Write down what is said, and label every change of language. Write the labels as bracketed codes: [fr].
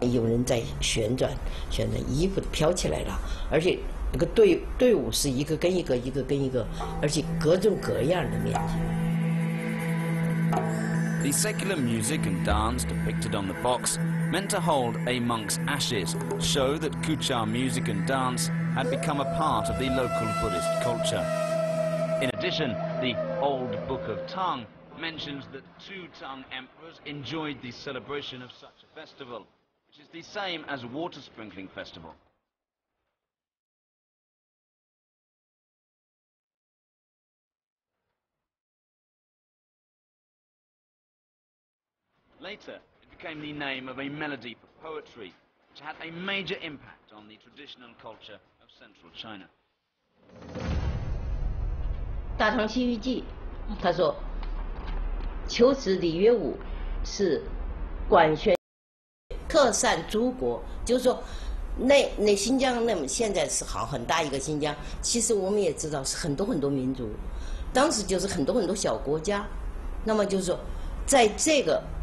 [zh] 有人在旋转，旋转衣服飘起来了，而且那个队伍是一个跟一个，一个跟一个，而且各种各样的面积。 [en] The secular music and dance depicted on the box, meant to hold a monk's ashes, show that Kucha music and dance had become a part of the local Buddhist culture. In addition, the Old Book of Tang mentions that two Tang emperors enjoyed the celebration of such a festival, which is the same as a water sprinkling festival. Later, it became the name of a melody for poetry, which had a major impact on the traditional culture of central China. [zh] 大唐西域记，他说，秋词礼乐舞是管弦，特散诸国，就是说，那新疆那么现在是好很大一个新疆，其实我们也知道是很多很多民族，当时就是很多很多小国家，那么就是说，在这个。